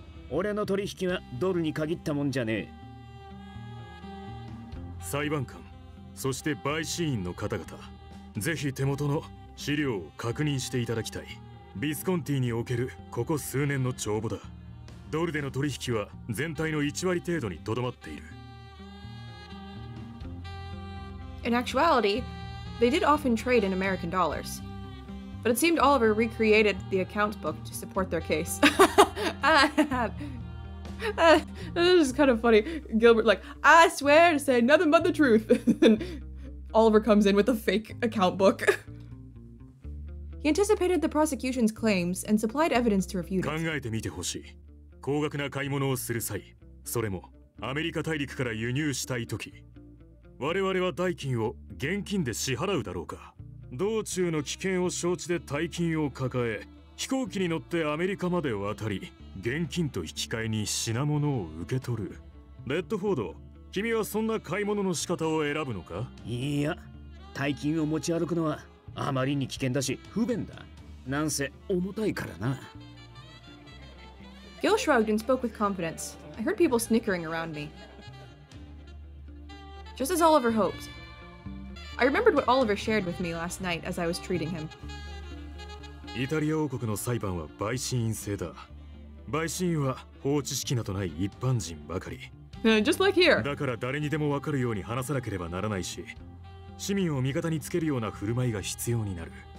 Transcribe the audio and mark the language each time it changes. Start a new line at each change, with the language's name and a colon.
Japanese: 俺の取引はドルに限ったもんじゃねえ。裁判官、そして陪審員の方々、ぜひ手元の資料を確認していただきたい。ビスコンティにおけるここ数年の帳簿だ。ドルでの取引は全体の1割程度にとどまっている。
English: In actuality, they did often trade in American dollars. But it seemed Oliver recreated the account book to support their case. This is kind of funny. Gilbert like, I swear to say nothing but the truth. And Oliver comes in with a fake account book. He anticipated the prosecution's claims and supplied evidence to refute it.
Japanese: 考えてみてほしい。高額な買い物をする際、それもアメリカ大陸から輸入したいとき、我々は代金を現金で支払うだろうか。道中の危険を承知で大金を抱え、飛行機に乗ってアメリカまで渡り、現金と引き換えに品物を受け取る。レッドフォード、君はそんな買い物の仕方を選ぶのか？いや、大金を持ち歩くのはあまりに危険だし不便だ。なんせ重たいからな。
English: Gil shrugged and spoke with confidence. I heard people snickering around me. Just as Oliver hoped. I remembered what Oliver shared with me last night as I was treating him.
Japanese: イタリア王国の裁判は陪審員制だ。陪審員は法知識などない一般人ばかり。
English: Just like here.
Japanese: だから誰にでも分かるように話さなければならないし、市民を味方につけるような振る舞いが必要になる。